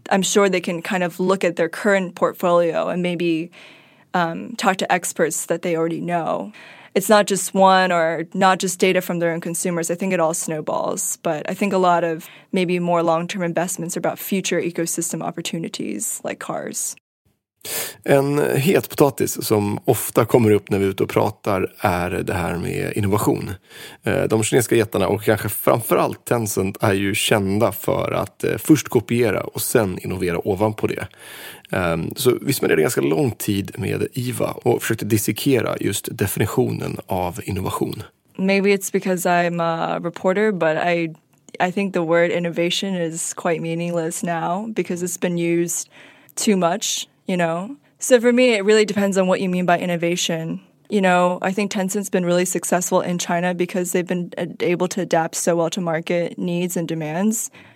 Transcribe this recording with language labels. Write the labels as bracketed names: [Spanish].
[English] I'm sure they can kind of look at their current portfolio and maybe talk to experts that they already know. It's not just one or not just data from their own consumers. I think it all snowballs. But I think a lot of maybe more long-term investments are about future ecosystem opportunities like cars. [Swedish] En het potatis som ofta kommer upp när vi är ute och pratar är det här med innovation. De kinesiska jättarna och kanske framförallt Tencent är ju kända för att först kopiera och sen innovera ovanpå det. Så vi spenderade ganska lång tid med Eva och försökte dissekera just definitionen av innovation. [English] Maybe it's because I'm a reporter, but I think the word innovation is quite meaningless now because it's been used too much. You know, so for me, it really depends on what you mean by innovation. You know, I think Tencent's been really successful in China because they've been able to adapt so well to market needs and demands.